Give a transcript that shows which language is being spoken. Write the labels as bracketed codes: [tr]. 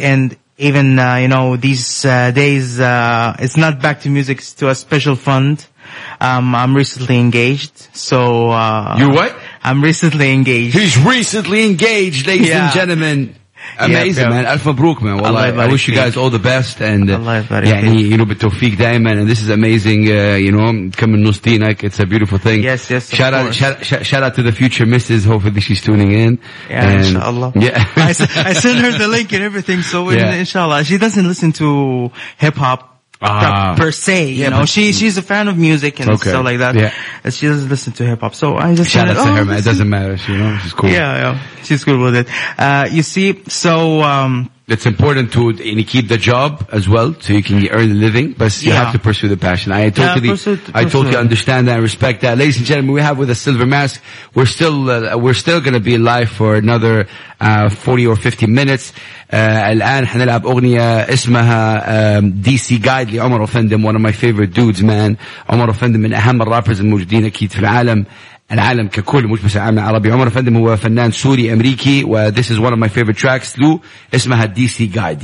[en] And even, you know, these days, it's not back to music, it's to a special fund. I'm recently engaged. So, you what? I'm recently engaged. He's recently engaged, ladies and gentlemen. Amazing, man. Alf Mabrook, man. Wallahi, I wish you guys all the best. And you know, [ar] بالتوفيق دائما. [en] And this is amazing, you know, coming [ar] نص دينك. [en] It's a beautiful thing. Yes, yes. Shout out to the future missus. Hopefully she's tuning in. Yeah, and inshallah. Yeah. I sent her the link and everything. So inshallah. She doesn't listen to hip hop. Per se, you know, she's a fan of music and stuff like that. Yeah. She doesn't listen to hip hop. So I just shout out to her, man. It doesn't matter. She, you know, she's cool. Yeah. She's cool with it. You see, so, it's important to keep the job as well, so you can earn a living, but you have to pursue the passion. I totally, understand that and respect that. Ladies and gentlemen, we have with a Silver Mask. We're still going to be live for another 40 or 50 minutes. [ar] الآن حنلعب أغنية اسمها DC Guide لعمر أفندم, [en] one of my favorite dudes, man. [ar] عمر أفندم من أهم الرابرز الموجودين أكيد في العالم. العالم ككل مش بس العالم العربي. عمر أفندم هو فنان سوري أمريكي, و [en] this is one of my favorite tracks [ar] لو اسمها DC Guide.